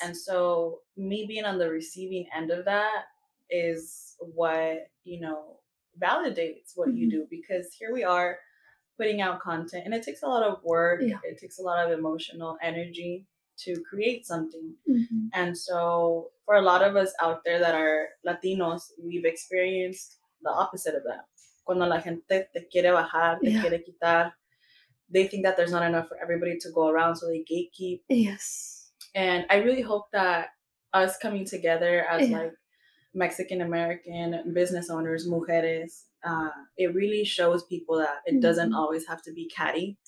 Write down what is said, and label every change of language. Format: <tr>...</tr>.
<en>And so me being on the receiving end of that is what, you know, validates what mm-hmm. you do, because here we are putting out content, and it takes a lot of work, yeah. it takes a lot of emotional energy to create something. Mm-hmm. And so for a lot of us out there that are Latinos, we've experienced the opposite of that.</en> <es>Cuando la gente te quiere bajar, te</es> <en>yeah.</en> <es>quiere quitar,</es> <en>they think that there's not enough for everybody to go around, so they gatekeep. Yes. And I really hope that us coming together as yeah. like Mexican American business owners, mujeres, it really shows people that it mm-hmm. doesn't always have to be catty.</en>